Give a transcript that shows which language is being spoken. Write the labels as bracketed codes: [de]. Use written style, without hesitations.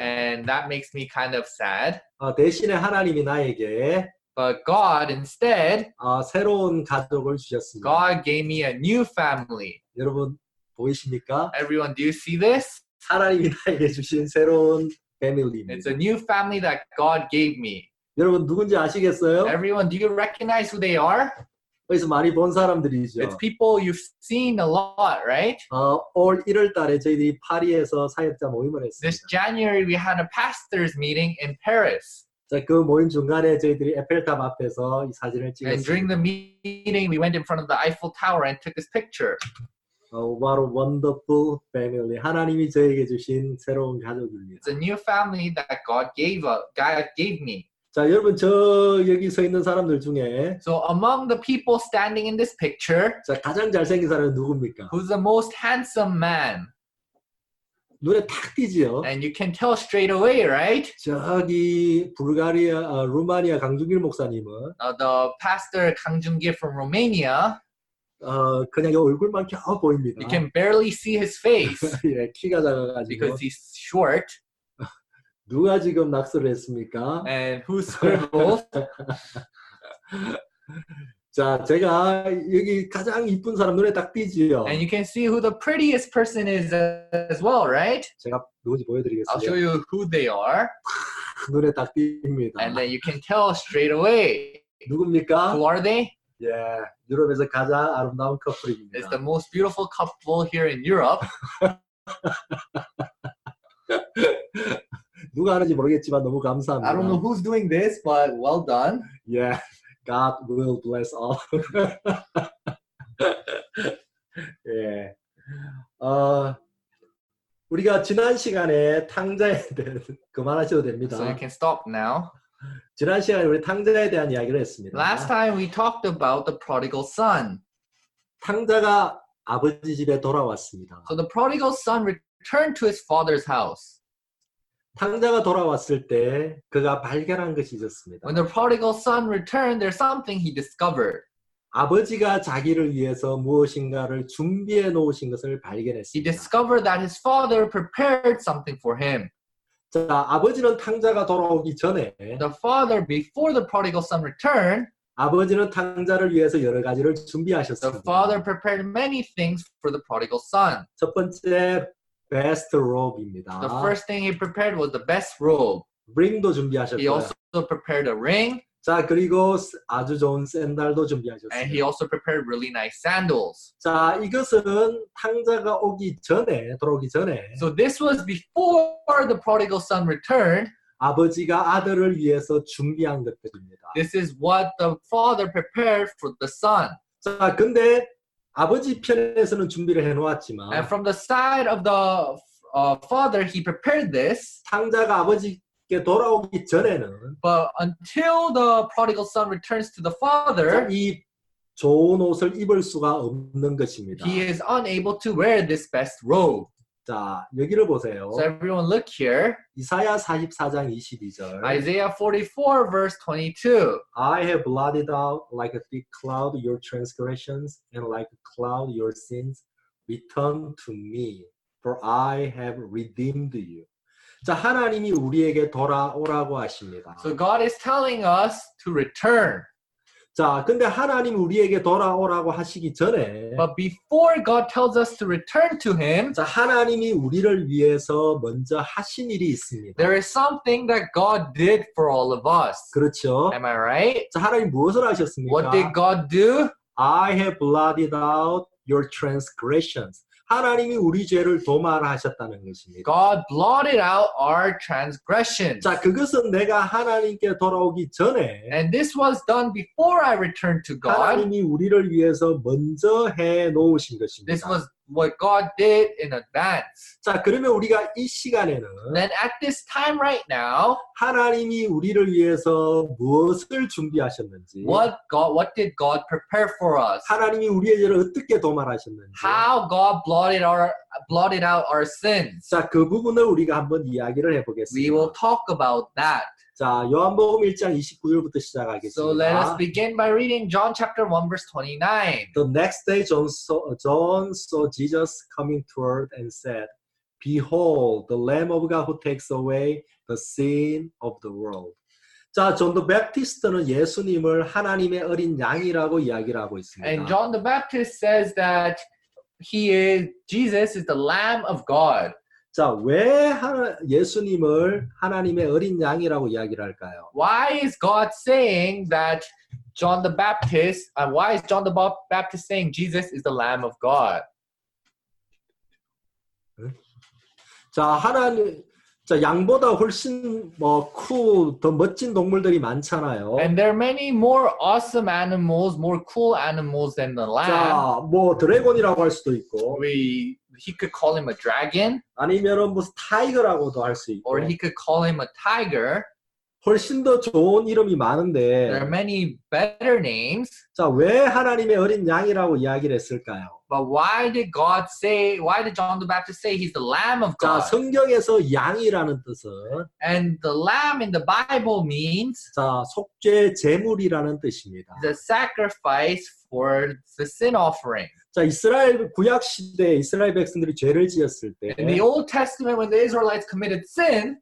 [en] And that makes me kind of sad. [ko] 대신에 하나님이 나에게 [en] But God instead, [ko] 새로운 가족을 주셨습니다. [en] God gave me a new family. [ko] 여러분 보이십니까? [en] Everyone, do you see this? [ko] 하나님이 나에게 주신 새로운 패밀리입니다. [en] It's a new family that God gave me. [ko] 여러분 누군지 아시겠어요? [en] Everyone, do you recognize who they are? [ko] 여기서 많이 본 [en] It's [ko] 사람들이죠. [en] people you've seen a lot, right? [ko] 올 1월 달에 저희들이 파리에서 사역자 모임을 [en] This [ko] 했습니다. [en] January, we had a pastor's meeting in Paris. [ko] 자, 그 모임 중간에 저희들이 에펠탑 앞에서 이 사진을 [en] And during [ko] 찍었습니다. [en] the meeting, we went in front of the Eiffel Tower and took this picture. What a wonderful family. [ko] 하나님이 저에게 주신 새로운 가족입니다. [en] It's a new family that God gave me. [ko] 자, 여러분 저 여기 서 있는 사람들 중에 [en] So among the people standing in this picture [ko] 자, 가장 잘생긴 사람은 누굽니까? [en] Who's the most handsome man? [ko] 눈에 탁 띄지요. [en] And you can tell straight away, right? [ko] 저기 불가리아 루마니아 강준길 목사님은 [en] The pastor 강준길 from Romania [ko] 그냥 요 얼굴만 겨우 보입니다. [en] You can barely see his face. [ko] 예, 키가 작아 가지고. [en] Because he's short. [ko] 누가 지금 낙서를 했습니까? [en] And who scribbled? [ko] 자, 제가 여기 가장 이쁜 사람 눈에 딱 띄지요. [en] And you can see who the prettiest person is as well, right? [ko] 제가 누구지 보여드리겠습니다. [en] I'll show you who they are. [ko] 눈에 딱 띕니다. [en] And then you can tell straight away. [ko] 누굽니까? [en] Who are they? [ko] 예, 유럽에서 가장 아름다운 커플입니다. [en] It's the most beautiful couple here in Europe. [ko] 누가 하는지 모르겠지만 너무 감사합니다. [en] I don't know who's doing this, but well done. Yeah, God will bless all. [ko] 예, 우리가 지난 시간에 탕자에 대해 그만하셔도 됩니다. [en] So you can stop now. [ko] 지난 시간에 우리 탕자에 대한 이야기를 했습니다. [en] Last time we talked about the prodigal son. [ko] 탕자가 아버지 집에 돌아왔습니다. [en] So the prodigal son returned to his father's house. [ko] 탕자가 돌아왔을 때 그가 발견한 것이 있었습니다. [en] When the prodigal son returned, there's something he discovered. [ko] 아버지가 자기를 위해서 무엇인가를 준비해 놓으신 것을 발견했습니다. [en] He discovered that his father prepared something for him. [ko] 자, 아버지는 탕자가 돌아오기 전에 [en] The father before the prodigal son returned, [ko] 아버지는 탕자를 위해서 여러 가지를 준비하셨습니다. [en] The father prepared many things for the prodigal son. [ko] 첫 번째 [en] best robe [ko] 입니다. [en] The first thing he prepared was the best robe. [ko] Ring도 준비하셨고요. [en] He also prepared a ring. [ko] 자, 그리고 아주 좋은 샌들도 준비하셨어요. [en] And he also prepared really nice sandals. [ko] 자, 이것은 탕자가 오기 전에 돌아오기 전에 [en] So this was before the prodigal son returned. [ko] 아버지가 아들을 위해서 준비한 것들입니다. [en] This is what the father prepared for the son. [ko] 자, 근데 아버지 편에서는 준비를 해놓았지만 [en] And from the side of the father, he prepared this. [ko] 탕자가 아버지께 돌아오기 전에는 [en] But until the prodigal son returns to the father, [ko] 이 좋은 옷을 입을 수가 없는 것입니다. [en] He is unable to wear this best robe. [ko] 자, 여기를 보세요. [en] So everyone look here. [ko] 이사야 44장 22절 [en] Isaiah 44 verse 22 I have blotted out like a thick cloud your transgressions and like a cloud your sins return to me for I have redeemed you. [ko] 자, 하나님이 우리에게 돌아오라고 하십니다. [en] So God is telling us to return. [ko] 자, 근데 하나님 우리에게 돌아오라고 하시기 전에 [en] But before God tells us to return to him, [ko] 자, 하나님이 우리를 위해서 먼저 하신 일이 있습니다. [en] There is something that God did for all of us. [ko] 그렇죠? [en] Am I right? [ko] 자, 하나님 무엇을 하셨습니까? [en] What did God do? I have blotted out your transgressions. [ko] 하나님이 우리 죄를 도말을 하셨다는 것입니다. [en] God blotted out our transgressions. [ko] 자, 그것은 내가 하나님께 돌아오기 전에 [en] And this was done before I returned to God. [ko] 하나님이 우리를 위해서 먼저 해 놓으신 것입니다. [en] This was what God did in advance. [ko] 자, 그러면 우리가 이 시간에는 [en] Then at this time right now, [ko] 하나님이 우리를 위해서 무엇을 준비하셨는지 [en] What did God prepare for us? [ko] 하나님이 우리의 죄를 어떻게 도말하셨는지 [en] How God blotted out our sins. [ko] 자, 그 부분을 우리가 한번 이야기를 해 보겠습니다. [en] We will talk about that. [ko] 자, 요한복음 1장 29절부터 시작하겠습니다. [en] So let us begin by reading John chapter 1 verse 29. The next day John saw Jesus coming toward and said, Behold, the Lamb of God who takes away the sin of the world. [ko] 자, 존 더 베프티스트는 예수님을 하나님의 어린 양이라고 이야기를 하고 있습니다. [en] And John the Baptist says that Jesus is the Lamb of God. [ko] 자, 왜 예수님을 하나님의 어린 양이라고 이야기를 할까요? [en] Why is God saying that John the Baptist, why is John the Baptist saying Jesus is the Lamb of God? [ko] 자, 자, 양보다 훨씬 뭐 cool, 더 멋진 동물들이 많잖아요. [en] And there are many more awesome animals, more cool animals than the lamb. [ko] 자, 뭐 드래곤이라고 할 수도 있고. [en] He could call him a dragon. [ko] 아니면은 뭐 타이거라고도 할 수 있고. [en] Or he could call him a tiger. [ko] 훨씬 더 좋은 이름이 많은데. [en] There are many better names. [ko] 자, 왜 하나님의 어린 양이라고 이야기를 했을까요? [en] But why did God say, why did John the Baptist say he's the lamb of God? [ko] 자, 성경에서 양이라는 뜻은 [en] And the lamb in the Bible means [ko] 자, 속죄 제물이라는 뜻입니다. [en] The sacrifice for the sin offering. [ko] 자, 이스라엘 구약 시대에 이스라엘 백성들이 죄를 지었을 때 [en] In the Old Testament when the Israelites committed sin